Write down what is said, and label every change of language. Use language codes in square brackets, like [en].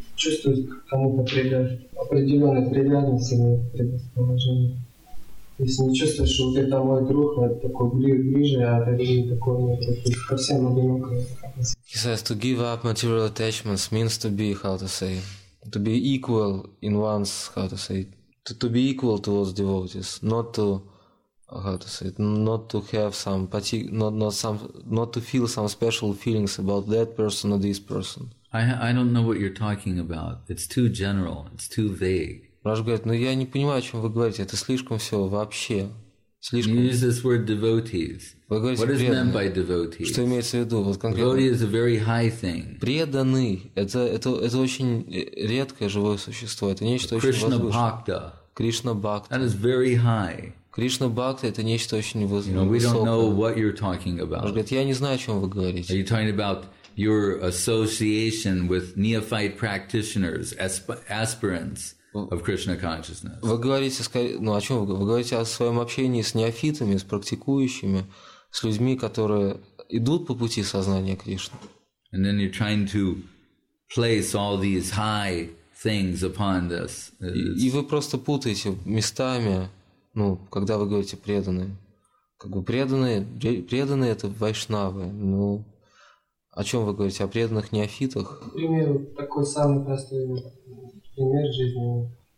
[ru] Чувствовать кому-то определенные привязанности или предрасположения. Если не чувствуешь, что вот это мой друг, а это такой ближе, а это ближе такой, это ко всем одинокому. [en] He says, to give up material attachments means to be, how to say, to be equal in one's, how to say, to be equal towards devotees, not to, how to say, not to have some, not to feel some special feelings about that person or this person. I don't know what you're talking about. It's too general. It's too vague. [ru] Раш говорит, ну я не понимаю, о чем вы говорите. Это слишком все вообще. Слишком. [en] You use this word devotees. [ru] Вы говорите, [en] what [ru] преданные. [en] Is meant by devotees? [ru] Что имеется в виду? Вот конкретно. [en] Devotee is a very high thing. [ru] Преданный. Это очень редкое живое существо. Это нечто очень возвышенное. [en] Krishna bhakta. Krishna bhakta. That is very high. [ru] Кришна Бхакта – это нечто очень высокое. [en] You know, we don't know what you're talking about. [ru] Раш говорит, я не знаю, о чем вы говорите. [en] Are you talking about your association with neophyte practitioners, aspirants of Krishna consciousness. [ru] Вы говорите, ну о чем вы говорите? Вы говорите о своем общении с неофитами, с практикующими, с людьми, которые идут по пути сознания Кришны. And then you're trying to place all these high things upon this. И вы просто путаете местами, ну, когда вы говорите преданные. Как бы преданные это вайшнавы, ну. О чем вы говорите? О преданных неофитах? К примеру, такой самый простой пример жизни.